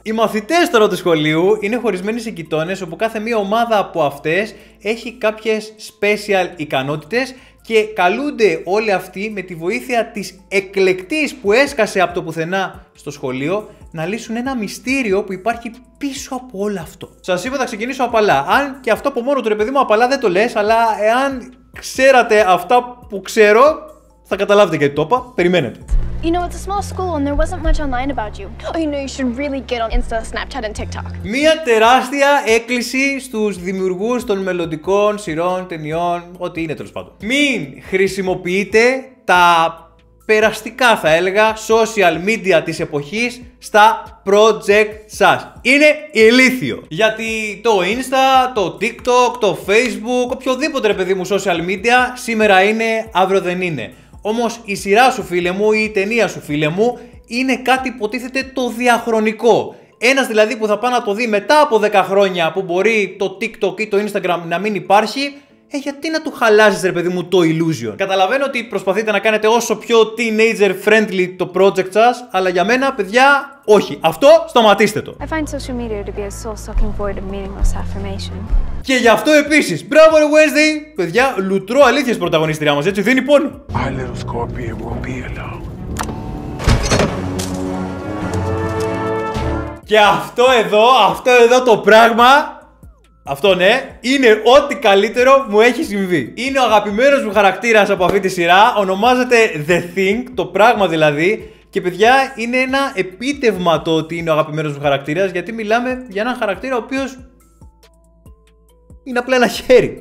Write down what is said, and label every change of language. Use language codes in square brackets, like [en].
[el] Οι μαθητές τώρα του σχολείου είναι χωρισμένοι σε κοιτώνες, όπου κάθε μία ομάδα από αυτές έχει κάποιες special ικανότητες και καλούνται όλοι αυτοί με τη βοήθεια της εκλεκτής που έσκασε από το πουθενά στο σχολείο να λύσουν ένα μυστήριο που υπάρχει πίσω από όλο αυτό. Σας είπα, θα ξεκινήσω απαλά. Αν και αυτό από μόνο του, ρε παιδί μου, απαλά δεν το λες, αλλά εάν ξέρατε αυτά που ξέρω, θα καταλάβετε γιατί το είπα. Περιμένετε. [en] You know, it's a small school and there wasn't much online about you. Oh, you know, you should really get on Insta, Snapchat and TikTok. [el] Μία τεράστια έκκληση στους δημιουργούς των μελλοντικών σειρών, ταινιών, ό,τι είναι τέλος πάντων. Μην χρησιμοποιείτε τα περαστικά, θα έλεγα, social media της εποχής στα project σας. Είναι ηλίθιο. Γιατί το Insta, το TikTok, το Facebook, οποιοδήποτε, ρε παιδί μου, social media, σήμερα είναι, αύριο δεν είναι. Όμως η σειρά σου, φίλε μου, ή η ταινία σου, φίλε μου, είναι κάτι υποτίθεται το διαχρονικό. Ένας δηλαδή που θα πάει να το δει μετά από 10 χρόνια που μπορεί το TikTok ή το Instagram να μην υπάρχει, Γιατί να του χαλάζεις, ρε παιδί μου, το illusion. Καταλαβαίνω ότι προσπαθείτε να κάνετε όσο πιο teenager friendly το project σας, αλλά για μένα, παιδιά, όχι. Αυτό, σταματήστε το. [en] I find social media to be a soul-sucking void of meaningless affirmation. [el] Και γι' αυτό επίσης, μπράβο, ρε Wednesday! Παιδιά, λουτρώ αλήθειες πρωταγωνίστρια μας, έτσι, δίνει πόνο. [en] My little Scorpio won't be alone. [el] Και αυτό εδώ το πράγμα, αυτό ναι, είναι ό,τι καλύτερο μου έχει συμβεί. Είναι ο αγαπημένος μου χαρακτήρας από αυτή τη σειρά, ονομάζεται The Thing, το πράγμα δηλαδή. Και παιδιά, είναι ένα επίτευγμα το ότι είναι ο αγαπημένος μου χαρακτήρας, γιατί μιλάμε για έναν χαρακτήρα ο οποίος είναι απλά ένα χέρι.